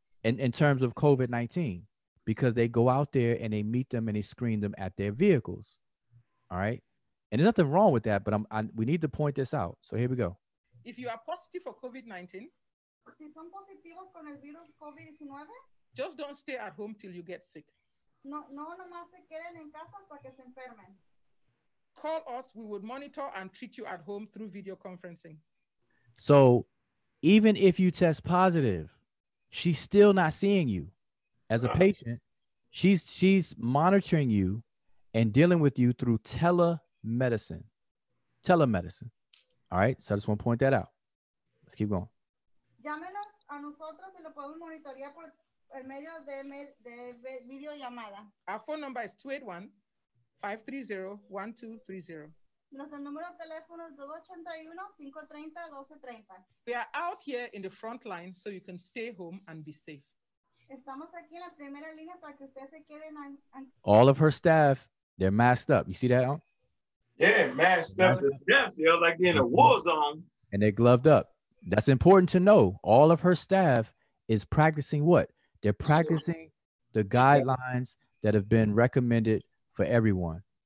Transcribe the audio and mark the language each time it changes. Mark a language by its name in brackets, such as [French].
[English] And in terms of COVID-19, because they go out there and they meet them and they screen them at their vehicles. All right. And there's nothing wrong with that, but we need to point this out. So here we go. If you are positive for COVID-19, [Spanish] Si son positivos con el virus COVID-19, [English] just don't stay at home till you get sick. [Spanish] No, no nomás se queden en casa hasta que se enfermen. [English] Call us, we would monitor and treat you at home through video conferencing. So, even if you test positive, she's still not seeing you as a patient. She's monitoring you and dealing with you through telemedicine. Telemedicine. All right, so I just want to point that out. Let's keep going. [Spanish] Llámenos a nosotros y lo podemos monitorear por el medio de videollamada. [English] Our phone number is 281-530-1230. [Spanish] Nuestro número de teléfono es 281-530-1230. [English] We are out here in the front line so you can stay home and be safe. [Spanish] Estamos aquí en la primera línea para que ustedes se queden. [English] All of her staff, they're masked up. You see that? Yeah, masked up. They're like they're in a war zone. And they're gloved up. That's important to know. All of her staff is practicing what? They're practicing the guidelines that have been recommended for everyone.